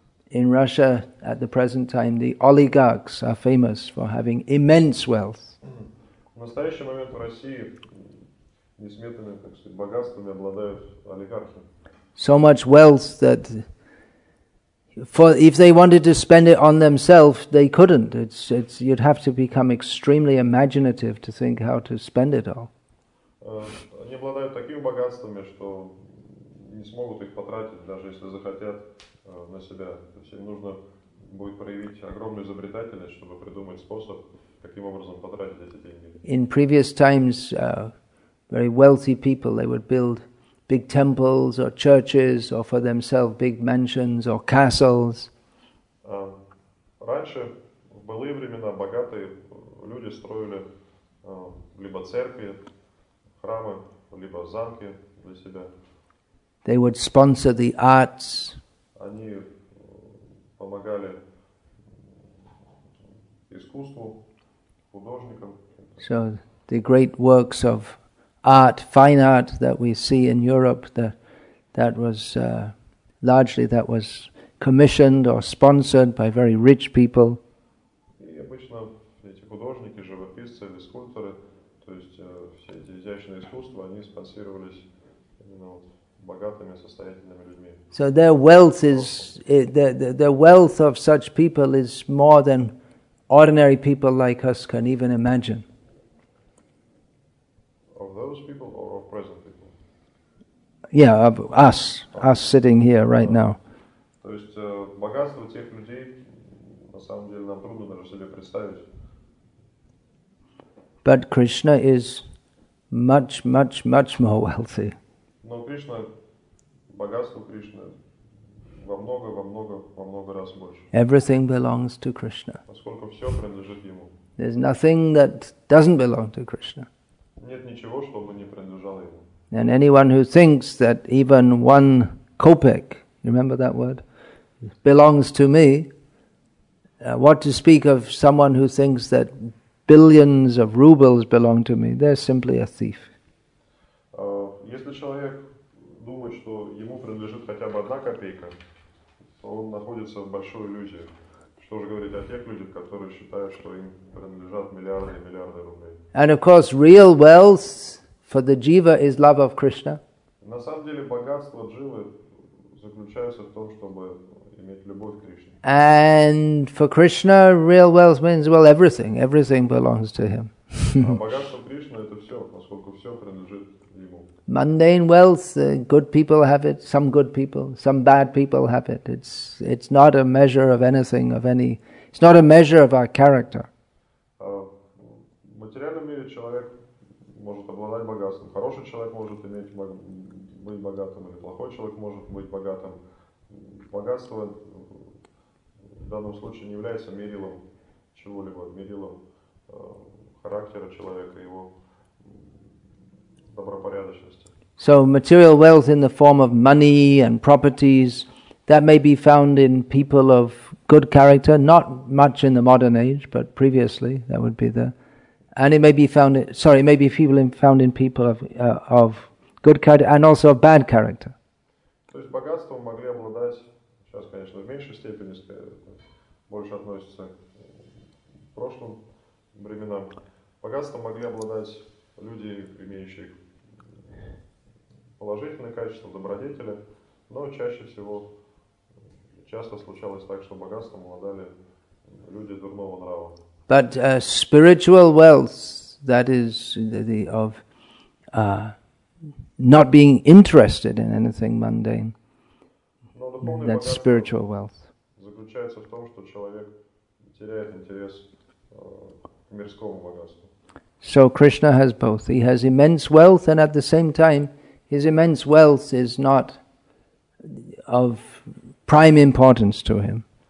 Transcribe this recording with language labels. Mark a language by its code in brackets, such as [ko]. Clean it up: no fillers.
[en] In Russia, at the present time, the oligarchs are famous for having immense wealth. [ru] В настоящий момент в России несметными, так сказать, богатствами обладают олигархи. [en] So much wealth that if they wanted to spend it on themselves, they couldn't. It's you'd have to become extremely imaginative to think how to spend it all. [ru] Они обладают такими богатствами, что не смогут их потратить, даже если захотят. На себя. То есть им нужно будет проявить огромную изобретательность, чтобы придумать способ, каким образом потратить эти деньги. [en] In previous times, very wealthy people, they would build big temples or churches or for themselves big mansions or castles. [ru] Раньше, в былые времена, богатые люди строили либо церкви, храмы, либо замки для себя. [en] They would sponsor the arts. [ru] Они помогали искусству, художникам. [en] So the great works of art, fine art that we see in Europe, that was largely commissioned or sponsored by very rich people. [ru] И обычно эти художники, живописцы или скульпторы, то есть все эти изящные искусства, они спонсировались именно богатыми, состоятельными людьми. [en] So their wealth is the wealth of such people is more than ordinary people like us can even imagine. Of those people or of present people? Yeah, of us sitting here right now. [ru] То есть богатство тех людей на самом деле нам трудно даже себе представить. [en] But Krishna is much, much, much more wealthy. [ru] Но Кришна богатство Кришны во много, во много, во много раз больше. [en] Everything belongs to Krishna. [ru] Поскольку все принадлежит ему. [en] There's nothing that doesn't belong to Krishna. [ru] Нет ничего, чтобы не принадлежало ему. [en] And anyone who thinks that even one kopek, remember that word, belongs to me, what to speak of someone who thinks that billions of rubles belong to me? They're simply a thief. [ru] Если человек думает, что ему принадлежит хотя бы одна копейка, то он находится в большой иллюзии, Что же говорить о тех людях, которые считают, что им принадлежат миллиарды и миллиарды рублей? [en] And of course, real wealth for the jiva is love of Krishna. [ru] На самом деле, богатство дживы заключается в том, чтобы иметь любовь к Кришне. [en] And for Krishna, real wealth means, well, everything. Everything belongs to him. [ru] А богатство Кришны — это все, поскольку все принадлежит ему. [en] Mundane wealth, good people have it, some good people, some bad people have it. It's not a measure of anything, of any, it's not a measure of our character. [ru] В материальном мире человек может обладать богатством. Хороший человек может быть богатым, или плохой человек может быть богатым. Богатство в данном случае не является мерилом чего-либо, мерилом характера человека, его добропорядочности. [en] So material wealth in the form of money and properties, that may be found in people of good character, not much in the modern age, but previously that would be there. And it may be found, in people of good character and also of bad character. [ru] То есть богатство могли обладать, сейчас, конечно, в меньшей степени, больше относится к прошлым временам. Богатство могли обладать люди, имеющие положительные качества, добродетели, но чаще всего, часто случалось так, что богатством обладали люди дурного нрава. [en] But spiritual wealth, that is the of not being interested in anything mundane, that's spiritual wealth. [ru] Заключается в том, что человек теряет интерес к мирскому богатству. [en] So Krishna has both. He has immense wealth, and at the same time, his immense wealth is not of prime importance to him.